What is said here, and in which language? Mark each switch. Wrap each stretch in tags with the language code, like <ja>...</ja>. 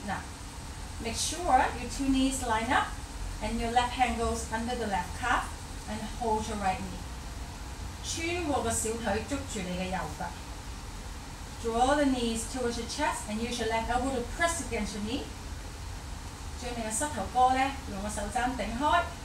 <en>Now, make sure your two knees line up and your left hand goes under the left calf and hold your right knee.</en> <yue>穿过个小腿捉住你的右脚。</yue> <en>Draw the knees towards your chest and use your left elbow to press against your knee.</en> <yue>将你的膝头哥用个手掌顶开。</yue>